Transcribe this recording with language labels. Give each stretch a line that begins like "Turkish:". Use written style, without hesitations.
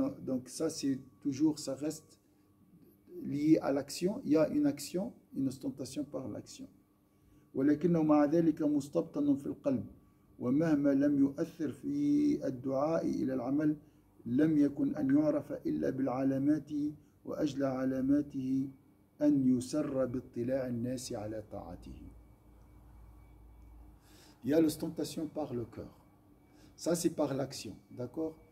French: Donc ça, c'est toujours, ça reste lié à l'action. Il y a une action, une ostentation par l'action.
Arabic: ولكنه مع ذلك مستبطن في القلب ومهما لم يؤثر في الدعاء إلى العمل لم يكن أن يعرف إلا بالعلامات وأجل علاماته أن يسر باطلاع الناس على طاعته.
French: Il y a l'ostentation par le cœur. Ça, c'est par l'action, d'accord?